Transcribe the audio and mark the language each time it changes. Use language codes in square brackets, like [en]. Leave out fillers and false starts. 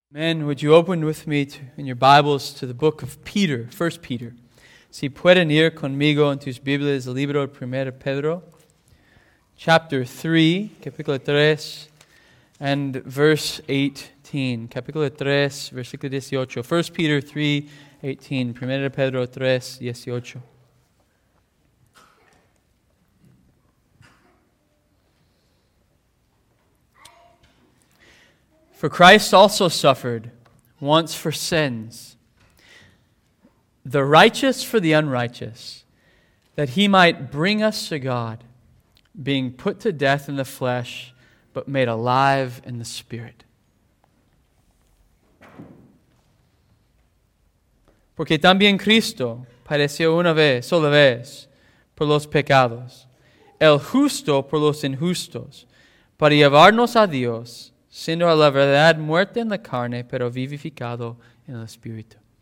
[en] Men, would you open with me in your Bibles to the book of Peter, 1 Peter. [es] Si pueden ir conmigo en tus Biblias, el libro de 1 Pedro, [en] chapter 3, [es] capítulo 3, [en] and verse 18. [es] Capítulo 3, versículo 18. 1 Peter 3, 18. 1 Pedro 3, 18. [en] For Christ also suffered once for sins, the righteous for the unrighteous, that he might bring us to God, being put to death in the flesh, but made alive in the spirit. [es] Porque también Cristo padeció una vez, sola vez, por los pecados, el justo por los injustos, para llevarnos a Dios. Siendo a la verdad muerte en la carne, pero vivificado en el espíritu.